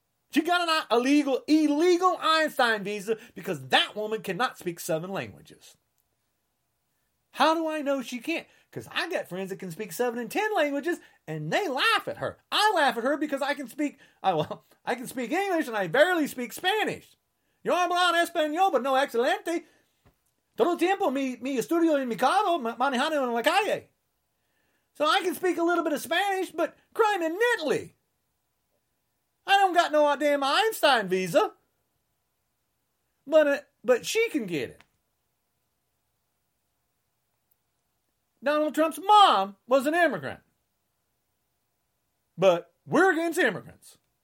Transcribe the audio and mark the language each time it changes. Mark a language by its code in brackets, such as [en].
[en] She got an illegal Einstein visa because that woman cannot speak 7 languages. How do I know she can't? Because I got friends that can speak 7 and 10 languages and they laugh at her. I laugh at her because I can speak English and I barely speak Spanish. [es] Yo hablo en español, but no excelente. Todo el tiempo mi estudio en mi carro, manejando en la calle. [en] So I can speak a little bit of Spanish, but crime in Italy. I don't got no damn Einstein visa. But she can get it. Donald Trump's mom was an immigrant. But we're against immigrants.